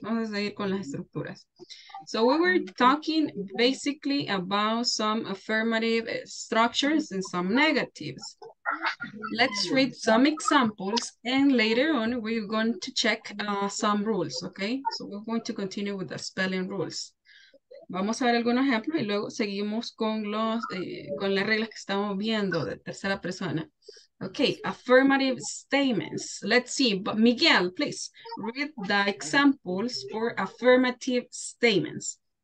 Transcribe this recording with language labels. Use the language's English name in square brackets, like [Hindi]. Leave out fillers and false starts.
[Spanish] Vamos a seguir con las estructuras. [English] So we were talking basically about some affirmative structures and some negatives. Let's read some examples and later on we're going to check some rules, okay? So we're going to continue with the spelling rules. [Spanish] Vamos a ver algunos ejemplos y luego seguimos con los con las reglas que estamos viendo de tercera persona. [English] Okay, affirmative statements. Let's see, but Miguel, please read the examples for affirmative statements.